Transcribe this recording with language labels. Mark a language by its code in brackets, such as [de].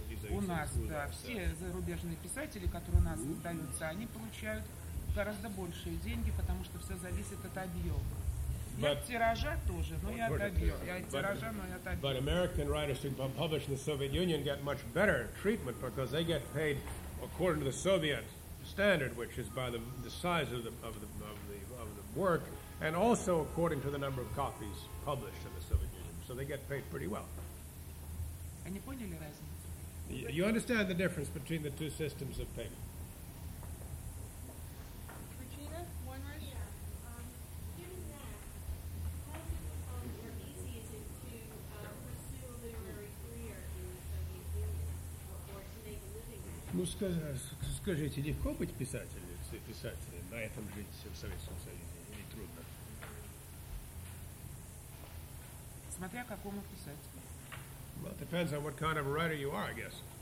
[ru] У нас, да, все зарубежные писатели, которые у нас издаются, они получают гораздо большие деньги, потому что все зависит от объема. И от тиража тоже, но и от объема. [en] But American writers who publish in the Soviet Union get much better treatment because they get paid according to the Soviet standard, which is by the size of the work, and also according to the number of copies published in the Soviet Union. So they get paid pretty well. [ru] Они поняли разницу? [en] You understand the difference between the two systems of payment. Regina, one more? Yeah. Given that how is it easy to pursue a literary career in the Soviet Union or to make a living there? [ru] Ну, скажите, легко быть писателем, на этом жить в Советском Союзе или трудно? Смотря какому писателю. [en] Well, it depends on what kind of a writer you are, I guess.